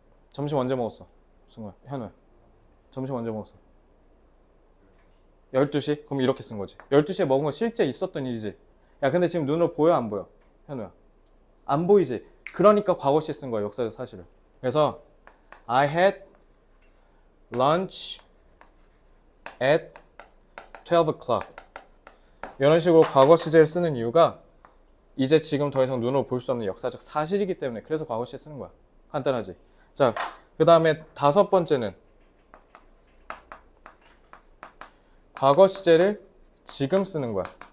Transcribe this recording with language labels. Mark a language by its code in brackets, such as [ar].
[ko] 점심 언제 먹었어? 승우야, 현우야. 점심 언제 먹었어? 12시? 그럼 이렇게 쓴 거지. 12시에 먹은 거 실제 있었던 일이지. 야, 근데 지금 눈으로 보여, 안 보여? 현우야. 안 보이지? 그러니까 과거시 쓴 거야, 역사적 사실을. 그래서 [en] I had lunch at 12 o'clock. [ko] 이런 식으로 과거 시제를 쓰는 이유가 이제 지금 더 이상 눈으로 볼수 없는 역사적 사실이기 때문에 그래서 과거 시제 쓰는 거야. 간단하지? 자, 그 다음에 다섯 번째는 과거 시제를 지금 쓰는 거야.